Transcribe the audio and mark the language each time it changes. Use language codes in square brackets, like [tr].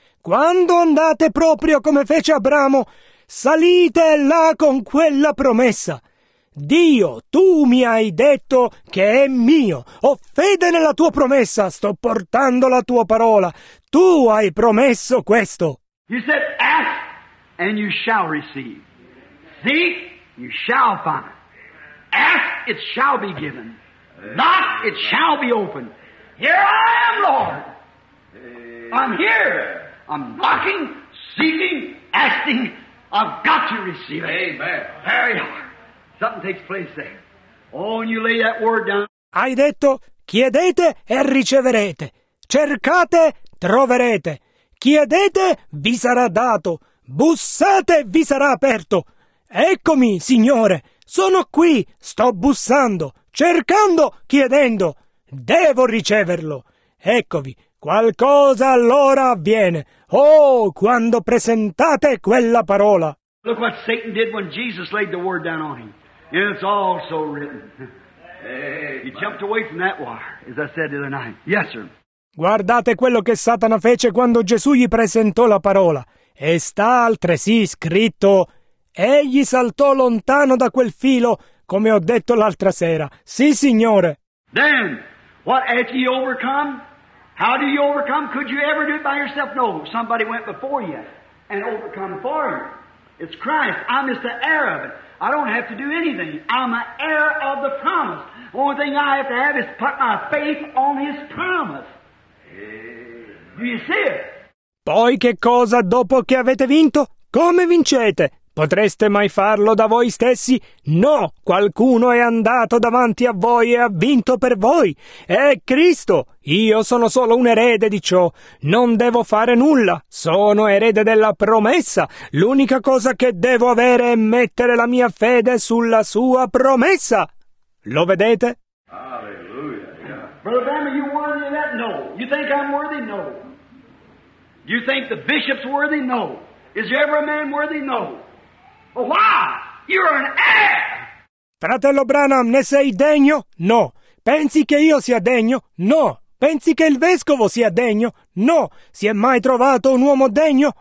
[it] Quando andate proprio come fece Abramo, salite là con quella promessa. Dio, tu mi hai detto che è mio. Ho fede nella tua promessa, sto portando la tua parola. Tu hai promesso questo. [en] You said, ask and you shall receive. Seek, you shall find. Ask, it shall be given. Knock, it shall be opened. Here I am, Lord. I'm here. I'm knocking, seeking, asking. I've got to receive it. Amen. There you are. Something takes place there. Oh, and you lay that word down. [it] Hai detto, chiedete e riceverete. Cercate, troverete. Chiedete, vi sarà dato. Bussate, vi sarà aperto. Eccomi, Signore. Sono qui, sto bussando, cercando, chiedendo. Devo riceverlo. Eccovi, qualcosa allora avviene. Oh, quando presentate quella parola. [en] Look what Satan did when Jesus laid the word down on him. And it's all so written. Hey, he jumped away from that wire, as I said the other night. Yes, sir. [it] Guardate quello che Satana fece quando Gesù gli presentò la parola. E sta altresì scritto, Egli saltò lontano da quel filo, come ho detto l'altra sera. Sì, Signore. [en] Then, what has he overcome? How do you overcome? Could you ever do it by yourself? No, somebody went before you and overcome for you. It's Christ. I'm just an heir of it. I don't have to do anything. I'm an heir of the promise. The only thing I have to have is put my faith on his promise. Do you see it? [it] Poi che cosa dopo che avete vinto? Come vincete? Potreste mai farlo da voi stessi? No, qualcuno è andato davanti a voi e ha vinto per voi. È Cristo. Io sono solo un erede di ciò. Non devo fare nulla. Sono erede della promessa. L'unica cosa che devo avere è mettere la mia fede sulla sua promessa. Lo vedete? [en] Hallelujah. Brother Bama, you worthy of that? No. You think I'm worthy? No. You think the bishop's worthy? No. Is there ever a man worthy? No. Why? You're an heir! [it] Fratello Branham, ne sei degno? No. Pensi che io sia degno? No. Pensi che il vescovo sia degno? No. Si è mai trovato un uomo degno?